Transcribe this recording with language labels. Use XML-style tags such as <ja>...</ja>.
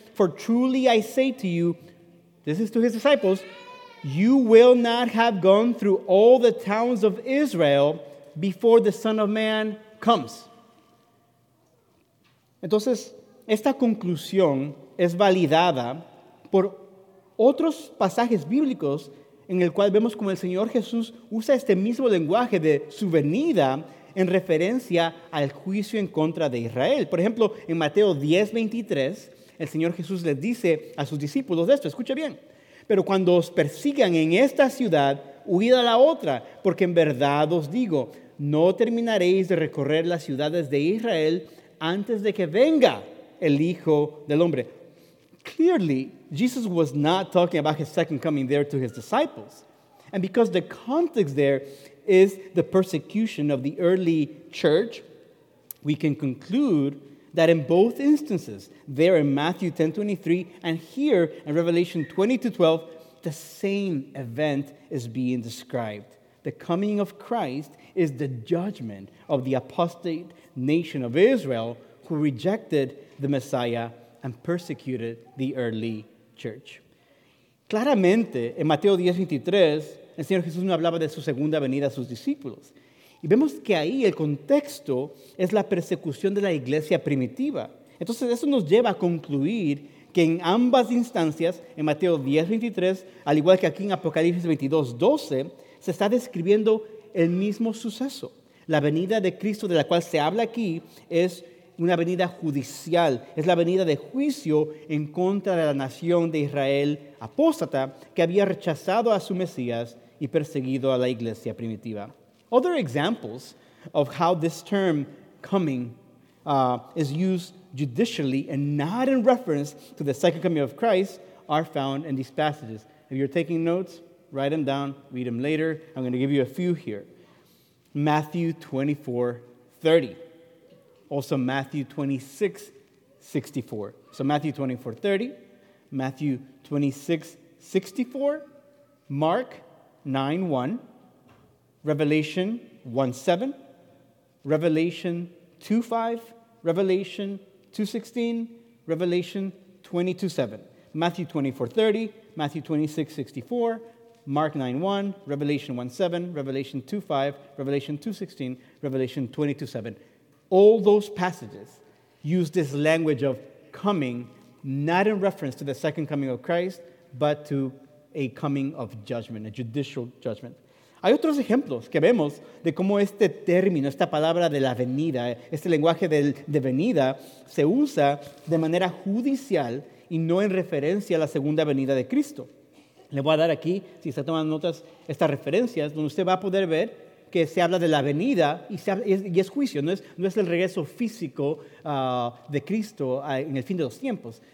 <en>For truly I say to you, this is to his disciples, you will not have gone through all the towns of Israel before the Son of Man comes.</en> <es>Entonces, esta conclusión es validada por otros pasajes bíblicos en el cual vemos como el Señor Jesús usa este mismo lenguaje de su venida en referencia al juicio en contra de Israel. Por ejemplo, en Mateo 10:23, el Señor Jesús les dice a sus discípulos esto, escuche bien. Pero cuando os persigan en esta ciudad, huid a la otra, porque en verdad os digo, no terminaréis de recorrer las ciudades de Israel antes de que venga el Hijo del Hombre.</es> <en>Clearly, Jesus was not talking about his second coming there to his disciples. And because the context there is the persecution of the early church, we can conclude that in both instances, there in Matthew 10:23 and here in Revelation 20:12, the same event is being described. The coming of Christ is the judgment of the apostate nation of Israel who rejected the Messiah and persecuted the early church.</en> <es>Claramente, en Mateo 10:23, el Señor Jesús no hablaba de su segunda venida a sus discípulos. Y vemos que ahí el contexto es la persecución de la iglesia primitiva. Entonces, eso nos lleva a concluir que en ambas instancias, en Mateo 10:23, al igual que aquí en Apocalipsis 22:12, se está describiendo el mismo suceso. La venida de Cristo de la cual se habla aquí es una venida judicial, es la venida de juicio en contra de la nación de Israel apóstata que había rechazado a su Mesías y perseguido a la iglesia primitiva.</es> <en>Other examples of how this term coming is used judicially and not in reference to the second coming of Christ are found in these passages. If you're taking notes, write them down, read them later. I'm going to give you a few here. Matthew 24:30. Also Matthew 26:64. So Matthew 24:30, Matthew 26:64, Mark 9:1. Revelation 1:7, Revelation 2:5, Revelation 2:16, Revelation 22:7, Matthew 24:30, Matthew 26:64, Mark 9:1, Revelation 1:7, Revelation 2:5, Revelation 2:16, Revelation 22:7. All those passages use this language of coming, not in reference to the second coming of Christ, but to a coming of judgment, a judicial judgment.</en> <es>Hay otros ejemplos que vemos de cómo este término, esta palabra de la venida, este lenguaje de venida, se usa de manera judicial y no en referencia a la segunda venida de Cristo. Le voy a dar aquí, si está tomando notas, estas referencias, donde usted va a poder ver que se habla de la venida y es juicio, no es el regreso físico de Cristo en el fin de los tiempos.</es>